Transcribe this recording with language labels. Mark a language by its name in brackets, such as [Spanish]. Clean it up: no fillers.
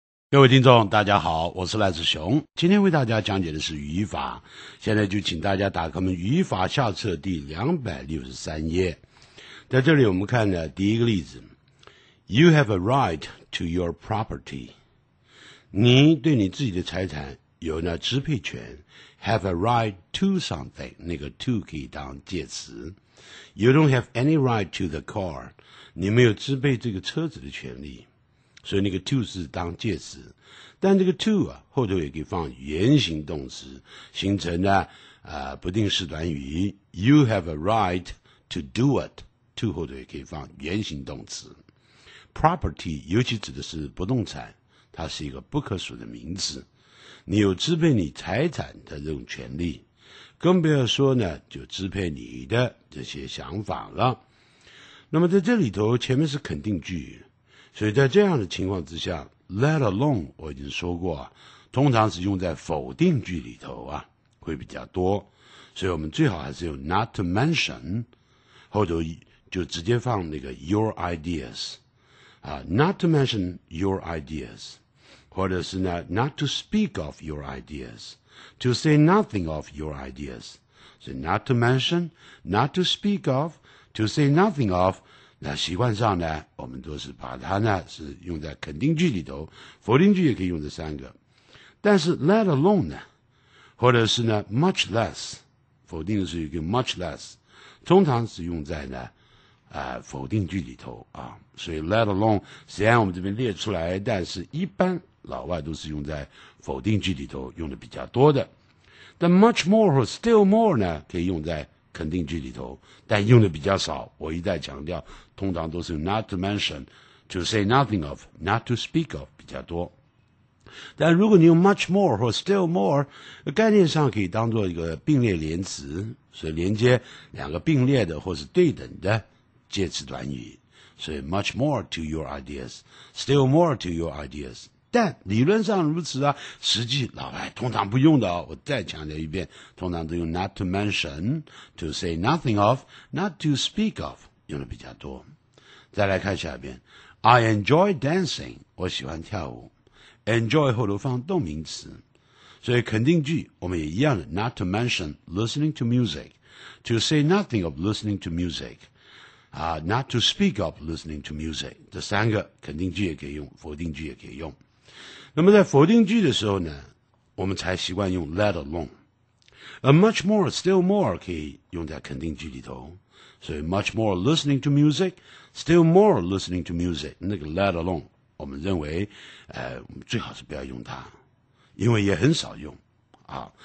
[Chinese] 各位听众大家好，我是赖子雄，今天为大家讲解的是语法，现在就请大家打开我们语法下册第263页。在这里我们看的第一个例子， [English] You have a right to your property， [Chinese] 你对你自己的财产有那支配权。 [English] Have a right to something， [Chinese] 那个 [English] to [Chinese] 可以当介词。 [English] You don't have any right to the car， [Chinese] 你没有支配这个车子的权利，所以那个 to 是当介词，但这个 to 啊后头也可以放原形动词，形成了不定式短语 [English] You have a right to do it， [Chinese] to 后头也可以放原形动词。 Property 尤其指的是不动产，它是一个不可数的名词，你有支配你财产的这种权利，更不要说呢就支配你的这些想法了。那么在这里头前面是肯定句，所以在这样的情况之下， let alone 我已经说过，通常是用在否定句里头啊会比较多，所以我们最好还是用 not to mention， 后头就直接放那个 your ideas、 [English] not to mention your ideas， [Chinese] 或者是呢 [English] not to speak of your ideas， to say nothing of your ideas， [Chinese] 所以 [English] not to mention， not to speak of， to say nothing of。 [Chinese] 那习惯上呢我们都是把它呢是用在肯定句里头，否定句也可以用这三个，但是 let alone 呢或者是呢 much less， 否定的是一个 much less， 通常是用在呢否定句里头啊。所以 let alone 虽然我们这边列出来，但是一般老外都是用在否定句里头用的比较多的，但 much more 和 still more 呢可以用在肯定句里头，但用的比较少。我一再强调，通常都是 not to mention， to say nothing of， not to speak of 比较多。但如果你用 much more 或 still more， 概念上可以当作一个并列连词，所以连接两个并列的或是对等的介词短语。所以 [English] much more to your ideas， still more to your ideas。 [Chinese] 但理论上如此啊，实际老外通常不用的，我再强调一遍，通常都用 not to mention， to say nothing of， not to speak of 用的比较多。再来看下一遍， [English] I enjoy dancing， [Chinese] 我喜欢跳舞， enjoy 后头放动名词，所以肯定句我们也一样的， [English] not to mention listening to music， to say nothing of listening to music， not to speak of listening to music， [Chinese] 这三个肯定句也可以用，否定句也可以用。那么在否定句的时候呢，我们才习惯用 let alone， a much more still more 可以用在肯定句里头，所以 [English] much more listening to music， still more listening to music， [Chinese] 那个 let alone 我们认为最好是不要用它，因为也很少用啊。